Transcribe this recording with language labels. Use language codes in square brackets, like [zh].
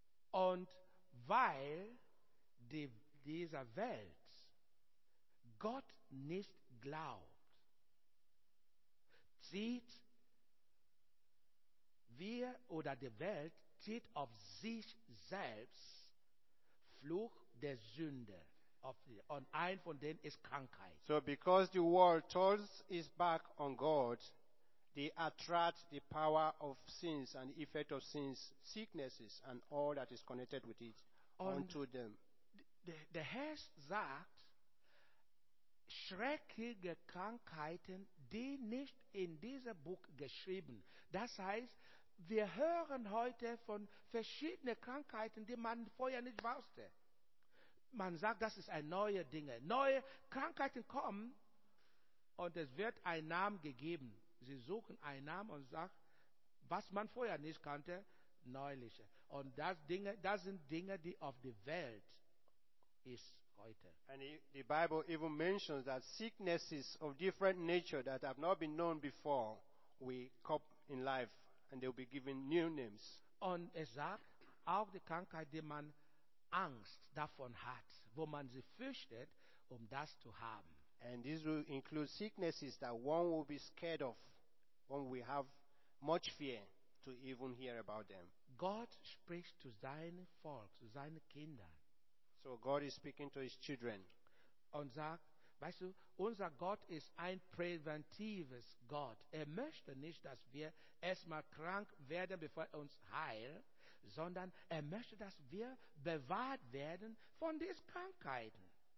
[de] Und weil dieser Welt Gott nicht glaubt, zieht wir oder die Welt zieht auf sich selbst Fluch der Sünde. Und ein von denen ist Krankheit. [en] So, because the world turns its back on God, they attract the power of sins and the effect of sins, sicknesses and all that is connected with it unto them. [de] Der Herr sagt, schreckige Krankheiten, die nicht in diesem Buch geschrieben. Das heißt, wir hören heute von verschiedenen Krankheiten, die man vorher nicht wusste. Man sagt, das ist ein neue Dinge. Neue Krankheiten kommen und es wird ein Name gegeben. Sie suchen einen Namen und sagen, was man vorher nicht kannte, neuliche. Und das sind Dinge, die auf die Welt ist heute. [en] And the Bible even mentions that sicknesses of different nature that have not been known before will come in life and they will be given new names. [de] Und es sagt, auch die Krankheit, die man Angst davon hat, wo man sie fürchtet, um das zu haben. [en] And this will include sicknesses that one will be scared of, one will have much fear to even hear about them. [de] Gott spricht zu seinem Volk, zu seinen Kindern. [en] So God is speaking to his children. [de] Und sagt, weißt du, unser Gott ist ein präventives Gott. Möchte nicht, dass wir erstmal krank werden, bevor er uns heilt, sondern möchte, dass wir bewahrt werden von diesen Krankheiten.